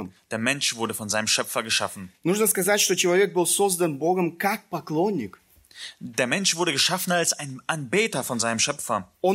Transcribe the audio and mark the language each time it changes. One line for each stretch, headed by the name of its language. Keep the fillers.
German: Der Mensch wurde von seinem Schöpfer geschaffen.
Russian: Нужно сказать, что человек был создан Богом как поклонник.
German: Der Mensch wurde geschaffen als ein Anbeter von seinem Schöpfer.